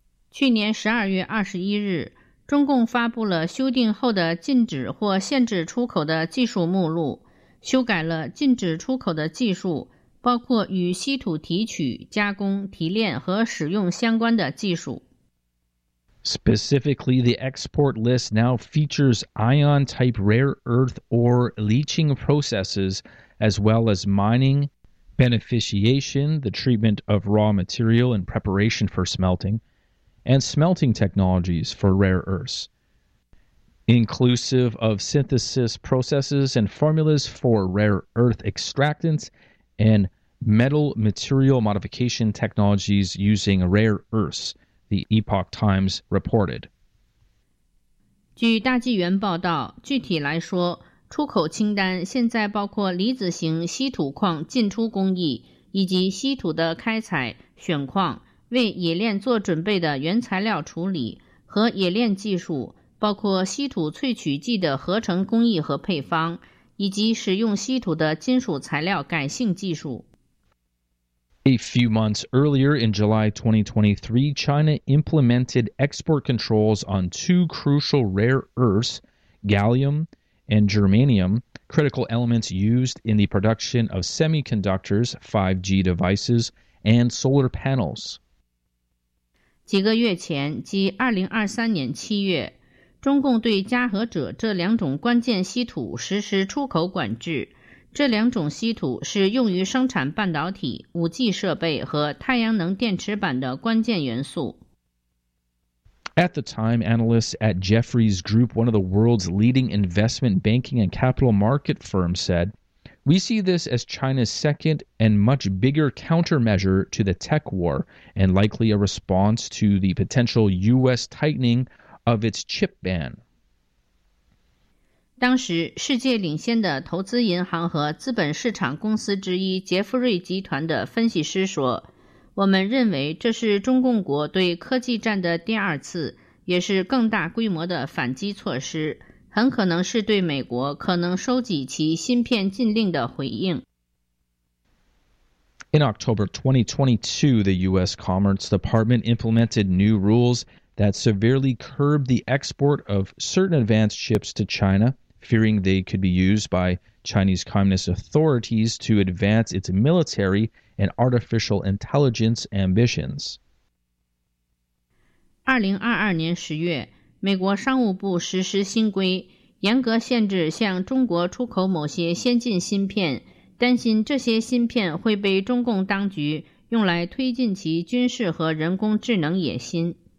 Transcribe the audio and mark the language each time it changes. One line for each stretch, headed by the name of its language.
Chinese: 去年12月21日，中共发布了修订后的禁止或限制出口的技术目录，修改了禁止出口的技术，包括与稀土提取、加工、提炼和使用相关的技术。
English: Specifically, the export list now features ion-type rare earth ore leaching processes, as well as mining, beneficiation, the treatment of raw material in preparation for smelting,and smelting technologies for rare earths, inclusive of synthesis processes and formulas for rare earth extractants and metal material modification technologies using rare earths, the Epoch Times reported.
Chinese: 据大纪元报道，具体来说，出口清单现在包括离子型稀土矿进出工艺以及稀土的开采、选矿、为冶炼做准备的原材料处理和冶炼技术，包括稀土萃取剂的合成工艺和配方，以及使用稀土的金属材料改性技术。
English: A few months earlier, in July 2023, China implemented export controls on two crucial rare earths, gallium and germanium, critical elements used in the production of semiconductors, 5G devices, and solar panels.
Chinese: 几个月前，即2023年7月，中共对镓和锗这两种关键稀土实施出口管制。这两种稀土是用于生产半导体、5G 设备和太阳能电池板的关键元素。
English: At the time, analysts at Jefferies Group, one of the world's leading investment banking and capital market firms, said, "We see this as China's second and much bigger countermeasure to the tech war, and likely a response to the potential U.S. tightening of its chip ban."
Chinese: 当时，世界领先的投资银行和资本市场公司之一杰弗瑞集团的分析师说，我们认为这是中共国对科技战的第二次，也是更大规模的反击措施。很可能是对美国可能收集其芯片禁令的回应。
English: In October 2022, the U.S. Commerce Department implemented new rules that severely curbed the export of certain advanced chips to China, fearing they could be used by Chinese communist authorities to advance its military and artificial intelligence ambitions.
Chinese: 2022年10月，美国商务部实施新规，严格限制向中国出口某些先进芯片，担心这些芯片会被中共当局用来推进其军事和人工智能野心。